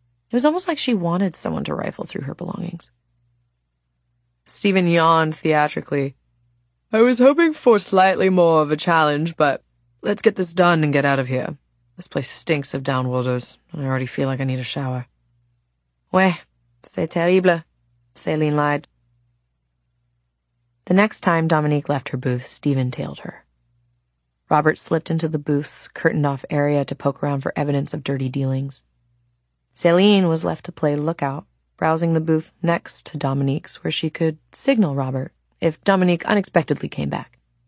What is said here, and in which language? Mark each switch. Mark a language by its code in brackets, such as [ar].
[en] It was almost like she wanted someone to rifle through her belongings. Stephen yawned theatrically. I was hoping for slightly more of a challenge, but let's get this done and get out of here. This place stinks of downworlders, and I already feel like I need a shower. [fr] Ouais, c'est terrible, [en] Céline lied. The next time Dominique left her booth, Stephen tailed her. Robert slipped into the booth's curtained-off area to poke around for evidence of dirty dealings. Céline was left to play lookout, browsing the booth next to Dominique's where she could signal Robert if Dominique unexpectedly came back.